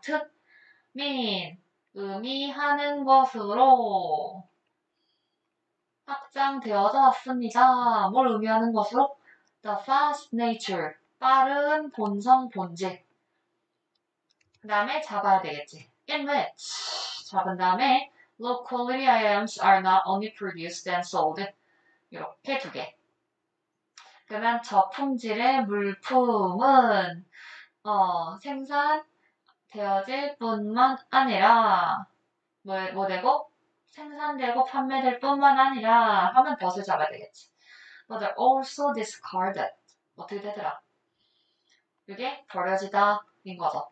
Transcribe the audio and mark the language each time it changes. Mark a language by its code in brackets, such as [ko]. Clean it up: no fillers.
[ko] 특 mean 의미하는 것으로 확장되어졌습니다. 뭘 의미하는 것으로? [en] The fast nature. [ko] 빠른 본성 본질. 그 다음에 잡아야 되겠지. [en] In which. [ko] 잡은 다음에 [en] low quality items are not only produced and sold. [ko] 이렇게 두 개. 그러면 저품질의 물품은 생산되어질 뿐만 아니라 뭐 되고? 생산되고 판매될 뿐만 아니라 하면 덫을 잡아야 되겠지. [en] But they're also discarded. [ko] 어떻게 되더라? 이게 버려지다 인 거죠.